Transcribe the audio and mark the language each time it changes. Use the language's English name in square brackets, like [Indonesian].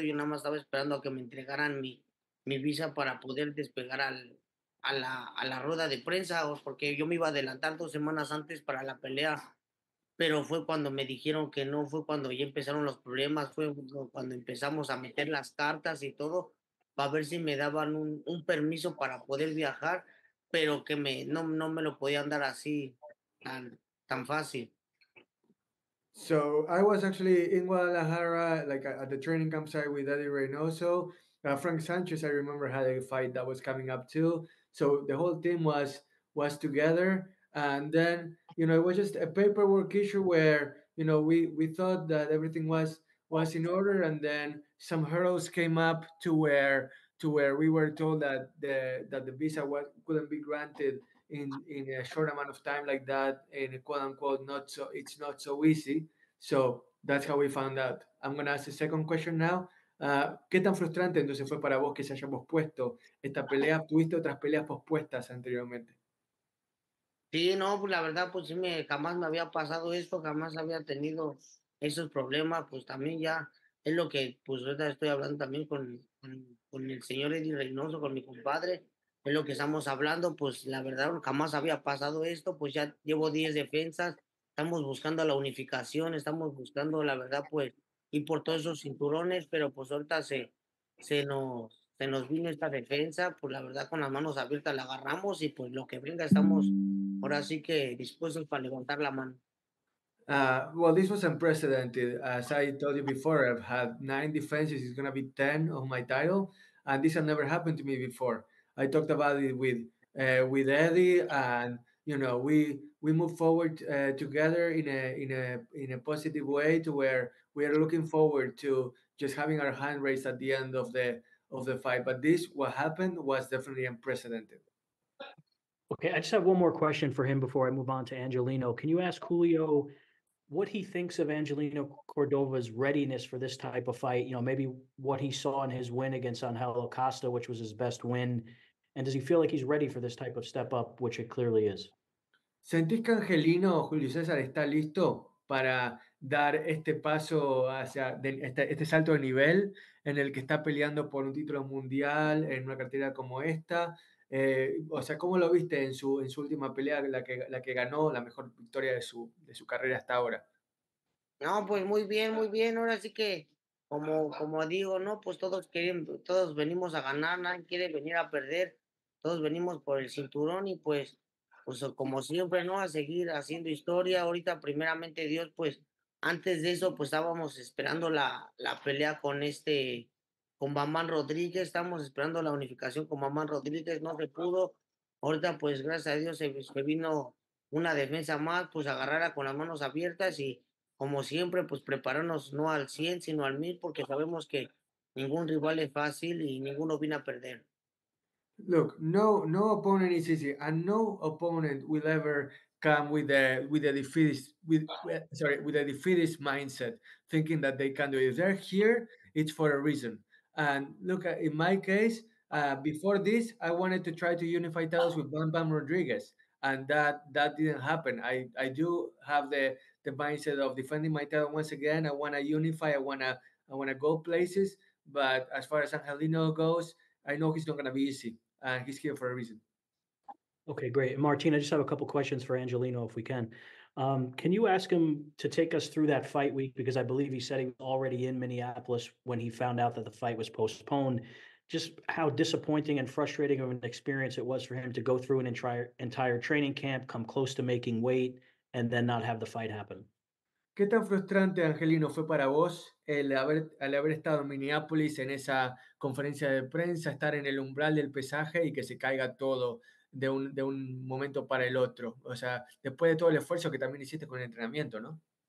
[Spanish] Yo nada más estaba esperando a que me entregaran mi visa para poder despegar a la rueda de prensa, porque yo me iba a adelantar 2 semanas antes para la pelea, pero fue cuando me dijeron que no, fue cuando ya empezaron los problemas, fue cuando empezamos a meter las cartas y todo, para ver si me daban un permiso para poder viajar, pero que no me lo podían dar así, tan fácil. [English] So I was actually in Guadalajara, like at the training campsite with Eddie Reynoso. Frank Sanchez, I remember, had a fight that was coming up too. So the whole team was together. And then, you know, it was just a paperwork issue where, you know, we thought that everything was in order. And then some hurdles came up to where we were told that the visa couldn't be granted in a short amount of time like that, in a quote-unquote, it's not so easy. So that's how we found out. I'm going to ask the second question now. [Spanish] ¿Qué tan frustrante entonces fue para vos que se haya pospuesto esta pelea? ¿Tuviste otras peleas pospuestas anteriormente? Sí, no, pues la verdad, pues sí, jamás me había pasado esto, jamás había tenido esos problemas. Pues también ya es lo que, pues ahorita estoy hablando también con el señor Eddie Reynoso, con mi compadre, es lo que estamos hablando. Pues la verdad, jamás había pasado esto. Pues ya llevo 10 defensas, estamos buscando la unificación, estamos buscando, la verdad, pues, y por todos esos cinturones, pero pues ahorita se nos vino esta defensa, pues la verdad, con las manos abiertas la agarramos, y pues lo que venga, estamos ahora sí que dispuestos para levantar la mano. [English] Well, this was unprecedented. As I told you before, I've had 9 defenses, it's going to be 10 of my title, and this has never happened to me before. I talked about it with Eddie, and you know, we move forward together in a positive way, to where we are looking forward to just having our hand raised at the end of the fight. But this, what happened, was definitely unprecedented. Okay, I just have one more question for him before I move on to Angelino. Can you ask Julio what he thinks of Angelino Cordova's readiness for this type of fight? You know, maybe what he saw in his win against Angel Acosta, which was his best win. And does he feel like he's ready for this type of step up, which it clearly is? [Spanish] ¿Sentís que Angelino, Julio César, está listo para dar este paso hacia este salto de nivel en el que está peleando por un título mundial en una cartera como esta? O sea, ¿cómo lo viste en su última pelea, la que ganó, la mejor victoria de su carrera hasta ahora? No, pues muy bien, muy bien. Ahora sí que, como digo, no, pues todos venimos a ganar, nadie quiere venir a perder, todos venimos por el cinturón, y pues como siempre, no, a seguir haciendo historia. Ahorita, primeramente Dios, pues antes de eso, pues estábamos esperando la pelea con Bamán Rodríguez, estábamos esperando la unificación con Bamán Rodríguez, no se pudo. Ahorita, pues gracias a Dios, se vino una defensa más, pues agarrarla con las manos abiertas, y como siempre, pues prepararnos no al 100, sino al 1000, porque sabemos que ningún rival es fácil y ninguno viene a perder. [English] Look, no opponent is easy, and no opponent will ever come with a defeatist mindset, thinking that they can do it. If they're here, it's for a reason. And look, in my case, before this, I wanted to try to unify titles with Bam Bam Rodriguez, and that didn't happen. I do have the mindset of defending my title once again. I want to unify. I want to go places. But as far as Angelino goes, I know he's not going to be easy. He's here for a reason. Okay, great. Martin, I just have a couple questions for Angelino, if we can. Can you ask him to take us through that fight week? Because I believe he said he was already in Minneapolis when he found out that the fight was postponed. Just how disappointing and frustrating of an experience it was for him to go through an entire training camp, come close to making weight, and then not have the fight happen. [Spanish] ¿Qué tan frustrante, Angelino, fue para vos el haber estado en Minneapolis en esa conferencia de prensa, estar en el umbral del pesaje y que se caiga todo de un momento para el otro? O sea, después de todo el esfuerzo que también hiciste con el entrenamiento, ¿no?